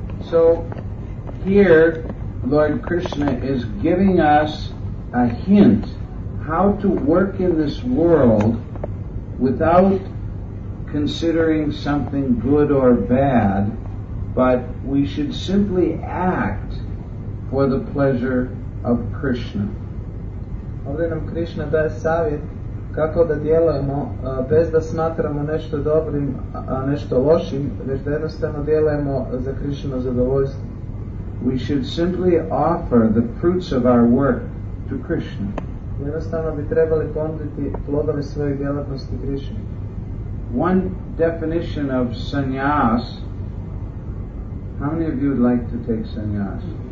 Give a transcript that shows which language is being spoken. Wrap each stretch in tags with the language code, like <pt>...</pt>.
<en>So, here Lord Krishna is giving us a hint how to work in this world without considering something good or bad, but we should simply act for the pleasure of Krishna.</en> <hr>Ovdje nam Krishna daje savjet kako da djelujemo bez da smatramo nešto dobrim, a nešto lošim, već da jednostavno djelujemo za Krishna zadovoljstvo.</hr> <en>We should simply offer the fruits of our work to Krishna.</en> <hr>Jednostavno bi trebali ponuditi plodove svoje djelatnosti Krishna.</hr> <en>One definition of sannyas. How many of you would like to take sannyas?</en>